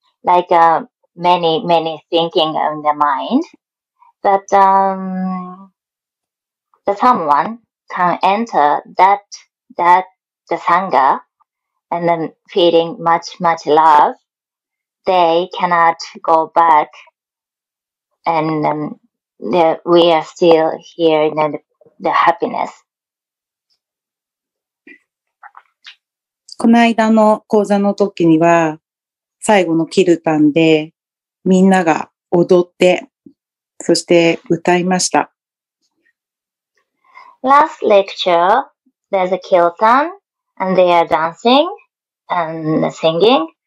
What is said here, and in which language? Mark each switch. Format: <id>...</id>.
<en>Like, many thinking in the mind, but the someone can enter that the sangha and then feeling much love, they cannot go back, and we are still here in the happiness.</en> <ja>この間の講座の時には最後のキルタンでみんなが踊ってそして歌いました。</ja> <en>Last lecture, there's a kirtan and they are dancing and singing.</en>